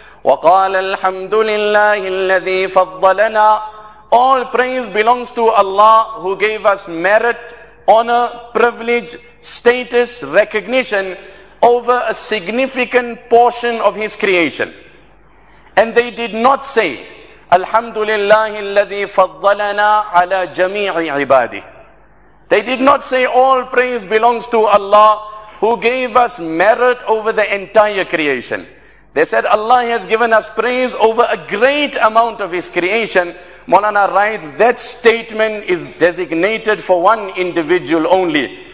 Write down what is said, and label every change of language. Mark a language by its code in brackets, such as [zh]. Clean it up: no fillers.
[ar] وَقَالَ الْحَمْدُ لِلَّهِ الَّذِي فَضَّلَنَا. [en] All praise belongs to Allah who gave us merit, honor, privilege, status, recognition over a significant portion of his creation. And they did not say, [ar] الْحَمْدُ لِلَّهِ الَّذِي فَضَّلَنَا عَلَى جَمِيعِ عِبَادِهِ. [en] They did not say, all praise belongs to Allah who gave us merit over the entire creation. They said, Allah has given us praise over a great amount of his creation. Maulana writes, that statement is designated for one individual only.